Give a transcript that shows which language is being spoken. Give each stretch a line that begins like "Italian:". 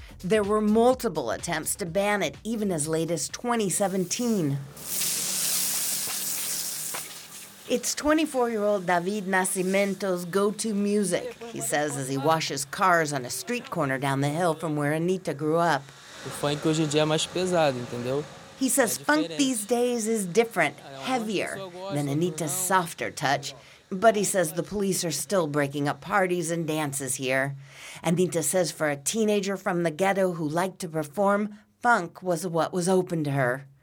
English: There were multiple attempts to ban it, even as late as 2017. It's 24-year-old David Nascimento's go-to music, he says as he washes cars on a street corner down the hill from where Anitta grew up.
Portuguese: O funk hoje em dia é mais pesado, entendeu?
English: He says funk these days is different, heavier than Anitta's softer touch. But he says the police are still breaking up parties and dances here. Anitta says for a teenager from the ghetto who liked to perform, funk was what was open to her.